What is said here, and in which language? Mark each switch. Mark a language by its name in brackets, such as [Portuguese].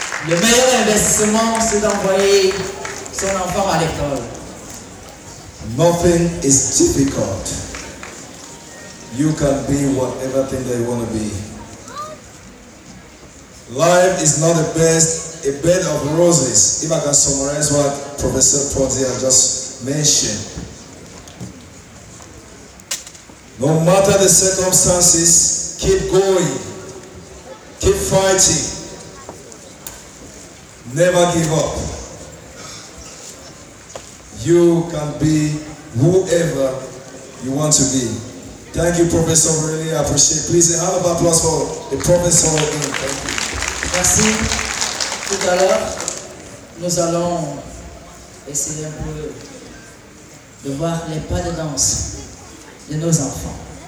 [French] Le meilleur investissement, c'est d'envoyer son enfant à l'école. [English] Nothing is difficult. You can be whatever thing that you want to be. Life is not a bed of roses. If I can summarize what Professor Ponzi has just mentioned. No matter the circumstances, keep going. Keep fighting. Never give up. You can be whoever you want to be. Thank you, Professor. Really appreciate it. Please, a round of applause for the Professor. Thank you. [French] Merci. Tout à l'heure, nous allons essayer un peu de voir les pas de danse de nos enfants.